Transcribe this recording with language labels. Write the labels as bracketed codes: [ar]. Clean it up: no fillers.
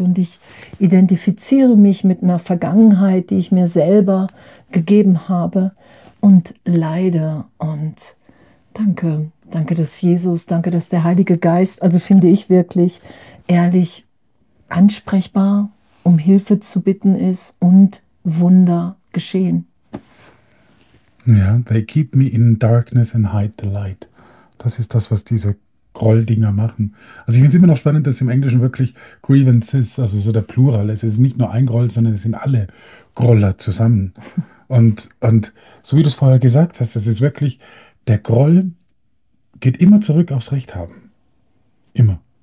[de] Und ich identifiziere mich mit einer Vergangenheit, die ich mir selber gegeben habe und leide. Und danke. Danke, dass Jesus, danke, dass der Heilige Geist, also finde ich wirklich ehrlich ansprechbar, um Hilfe zu bitten ist und Wunder geschehen. [en] Ja, they keep me in darkness and hide the light. [de] Das ist das, was diese Grolldinger machen. Also ich finde es immer noch spannend, dass im Englischen wirklich grievances, also so der Plural ist. Es ist nicht nur ein Groll, sondern es sind alle Groller zusammen. Und so wie du es vorher gesagt hast, das ist wirklich der Groll, geht immer zurück aufs Recht haben. Immer.